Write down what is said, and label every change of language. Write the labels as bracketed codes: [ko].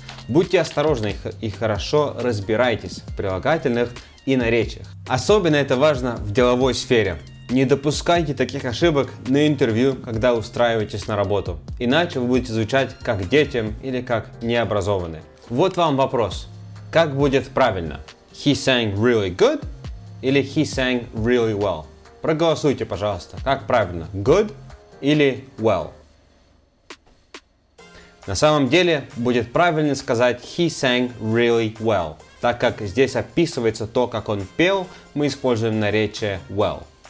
[ru] Будьте осторожны и хорошо разбирайтесь в прилагательных и наречиях. Особенно это важно в деловой сфере. Не допускайте таких ошибок на интервью, когда устраиваетесь на работу. Иначе вы будете звучать как детям или как необразованные. Вот вам вопрос. Как будет правильно? [en] He sang really good [ru] или [en] he sang really well? [ru] Проголосуйте, пожалуйста. Как правильно? Good или well? На самом деле, будет правильно сказать [en] he sang really well, [ru] так как здесь описывается то, как он пел, мы используем наречие well.